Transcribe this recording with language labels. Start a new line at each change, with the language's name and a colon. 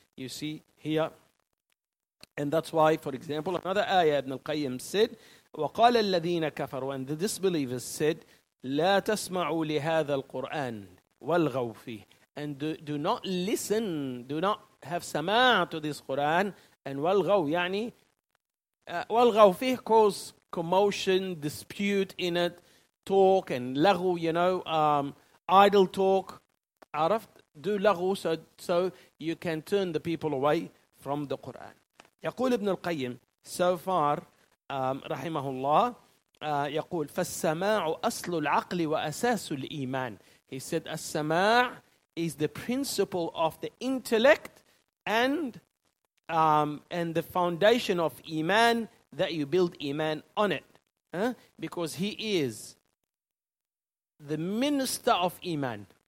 English: You see here, and that's why, for example, another ayah, Ibn al-Qayyim said,
Arabic: وَقَالَ الَّذِينَ كَفَرُوا,
English: and the disbelievers said,
Arabic: لَا تَسْمَعُوا لِهَذَا الْقُرْآنِ وَالْغَوْ فِيهِ,
English: and do not listen, do not have sama' to this Qur'an, and وَالْغَوْ, يعني,
Arabic: وَالْغَوْ فِيهِ,
English: cause commotion, dispute in it, talk, and لَغُو, you know, idle talk, عرفت, do لَغُو, so you can turn the people away from the Qur'an.
Arabic: يقول ابن القيم,
English: so far,
Arabic: رحمه الله, يقول فالسماع أصل العقل وأساس الإيمان.
English: He said, السماع is the principle of the intellect and the foundation of إيمان, that you build إيمان on it. Because he is the minister of إيمان.